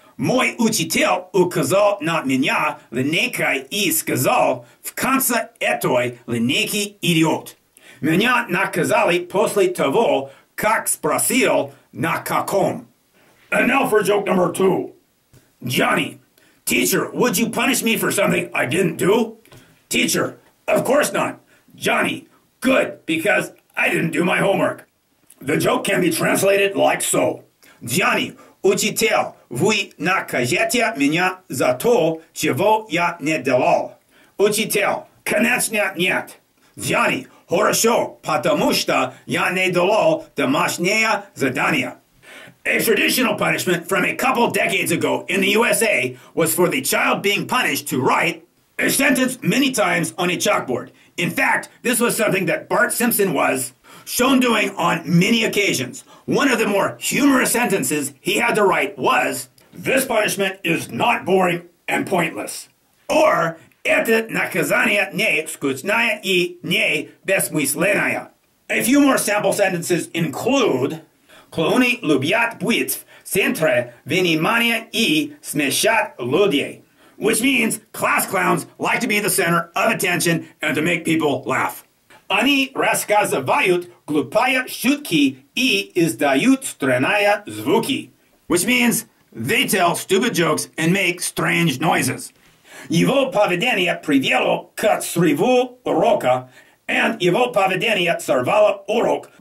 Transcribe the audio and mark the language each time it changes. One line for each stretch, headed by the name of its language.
Russian: Мой учитель указал на меня линейкой и сказал, в конце этой линейки идиот. Меня наказали после того, как спросил на каком.
English: And now for joke number two. Johnny, teacher, would you punish me for something I didn't do? Teacher, of course not. Johnny, good, because I didn't do my homework. The joke can be translated like so.
Russian: Johnny, учитель, вы накажете меня за то, чего я не делал. Учитель, конечно, нет. Johnny, хорошо, потому что я не делал домашнее задание.
English: A traditional punishment from a couple decades ago in the USA was for the child being punished to write a sentence many times on a chalkboard. In fact, this was something that Bart Simpson was shown doing on many occasions. One of the more humorous sentences he had to write was, this punishment is not boring and pointless.
Russian: Or, это наказание не скучное и не бессмысленное.
English: A few more sample sentences include,
Russian: клоуны любят быть в центре внимания и смешать людей.
English: Which means, class clowns like to be the center of attention and to make people laugh.
Russian: Они рассказывают глупые шутки и издают странные звуки.
English: Which means, they tell stupid jokes and make strange noises.
Russian: Его поведение привело к срыву урока, and его поведение сорвало урок.